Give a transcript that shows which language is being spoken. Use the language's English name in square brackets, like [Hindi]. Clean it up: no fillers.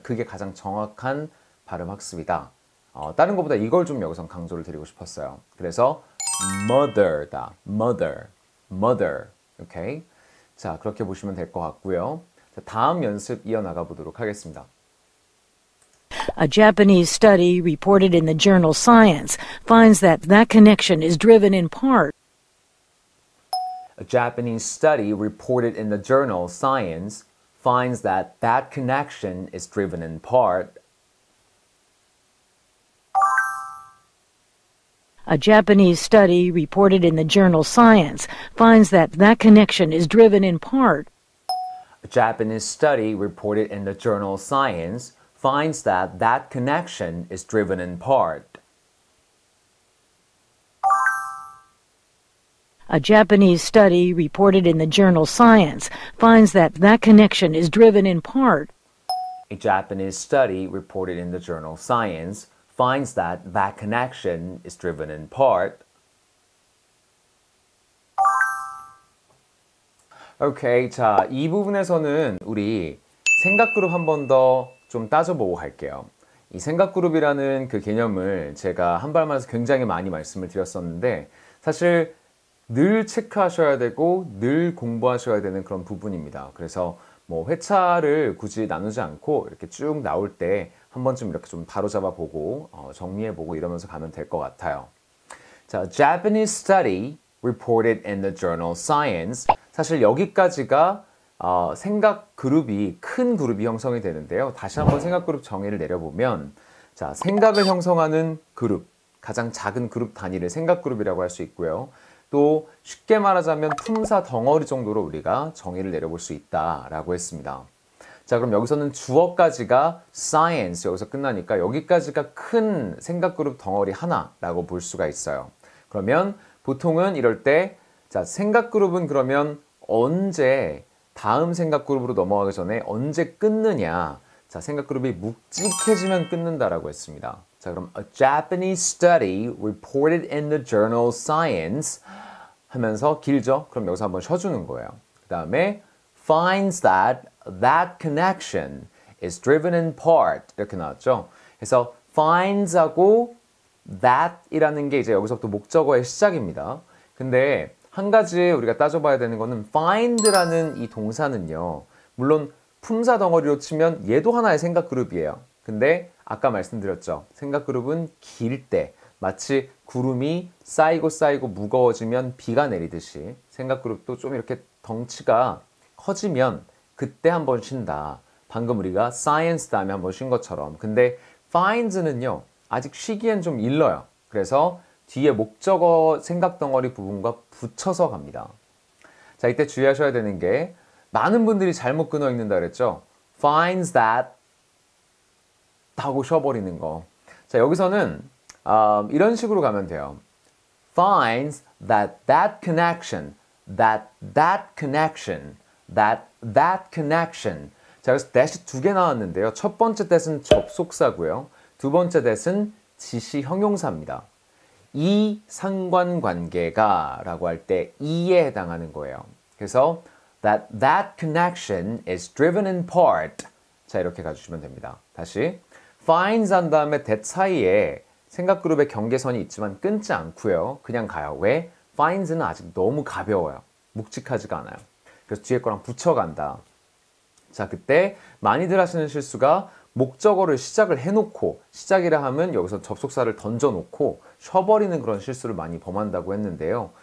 [Korean] 그게 가장 정확한 발음 학습이다. 다른 것보다 이걸 좀 여기서 강조를 드리고 싶었어요. 그래서 mother다. [English] mother. mother. 오케이? [Korean] 자, 그렇게 보시면 될 것 같고요. 다음 연습 이어나가 보도록 하겠습니다. [English] A Japanese study reported in the journal Science finds that that connection is driven in part. A Japanese study reported in the journal Science finds that that connection is driven in part. A Japanese study reported in the journal Science finds that that connection is driven in part. A Japanese study reported in the journal Science finds that that connection is driven in part. A Japanese study reported in the journal Science finds that that connection is driven in part. A Japanese study reported in the journal Science finds that that connection is driven in part. [Korean] Okay, 자, 이 부분에서는 우리 생각 그룹 한 번 더 좀 따져보고 갈게요. 이 생각 그룹이라는 그 개념을 제가 한발만에서 굉장히 많이 말씀을 드렸었는데 사실 늘 체크하셔야 되고 늘 공부하셔야 되는 그런 부분입니다. 그래서 뭐 회차를 굳이 나누지 않고 이렇게 쭉 나올 때 한 번쯤 이렇게 좀 바로잡아 보고 정리해 보고 이러면서 가면 될 것 같아요. [English] 자, Japanese study reported in the journal Science. [Korean] 사실 여기까지가 생각 그룹이 큰 그룹이 형성이 되는데요. 다시 한번 생각 그룹 정의를 내려보면 자, 생각을 형성하는 그룹, 가장 작은 그룹 단위를 생각 그룹이라고 할 수 있고요. 또 쉽게 말하자면 품사 덩어리 정도로 우리가 정의를 내려볼 수 있다라고 했습니다. 자, 그럼 여기서는 주어까지가 science 여기서 끝나니까 여기까지가 큰 생각 그룹 덩어리 하나라고 볼 수가 있어요. 그러면 보통은 이럴 때 자, 생각 그룹은 그러면 언제 다음 생각 그룹으로 넘어가기 전에 언제 끊느냐? 자, 생각 그룹이 묵직해지면 끊는다라고 했습니다. 자, 그럼 [English] A Japanese study reported in the journal Science [Korean] 하면서 길죠? 그럼 여기서 한번 쉬어주는 거예요. 그 다음에 [English] finds that that connection is driven in part [Korean] 이렇게 나왔죠? 그래서 finds하고 that이라는 게 이제 여기서부터 목적어의 시작입니다. 근데 한 가지 우리가 따져봐야 되는 거는 find라는 이 동사는요. 물론 품사 덩어리로 치면 얘도 하나의 생각 그룹이에요. 근데 아까 말씀드렸죠. 생각 그룹은 길 때 마치 구름이 쌓이고 쌓이고 무거워지면 비가 내리듯이 생각 그룹도 좀 이렇게 덩치가 커지면 그때 한번 쉰다. 방금 우리가 science 다음에 한번 쉰 것처럼. 근데 finds는요. 아직 쉬기엔 좀 일러요. 그래서 뒤에 목적어 생각 덩어리 부분과 붙여서 갑니다. 자, 이때 주의하셔야 되는 게 많은 분들이 잘못 끊어 읽는다 그랬죠? [English] finds that [Korean] 하고 쉬어버리는 거. 자, 여기서는 이런 식으로 가면 돼요. [English] finds that that connection, that that connection, that that connection. [Korean] 자, 여기서 that이 두 개 나왔는데요. 첫 번째 that은 접속사고요. 두 번째 that은 지시 형용사입니다. 이 상관관계가 라고 할 때 이에 해당하는 거예요. 그래서 [English] that that connection is driven in part. [Korean] 자, 이렇게 가주시면 됩니다. 다시 finds 한 다음에 that 사이에 생각 그룹의 경계선이 있지만 끊지 않고요. 그냥 가요. 왜? finds는 아직 너무 가벼워요. 묵직하지가 않아요. 그래서 뒤에 거랑 붙여간다. 자, 그때 많이들 하시는 실수가 목적어를 시작을 해놓고 시작이라 하면 여기서 접속사를 던져놓고 쉬어버리는 그런 실수를 많이 범한다고 했는데요.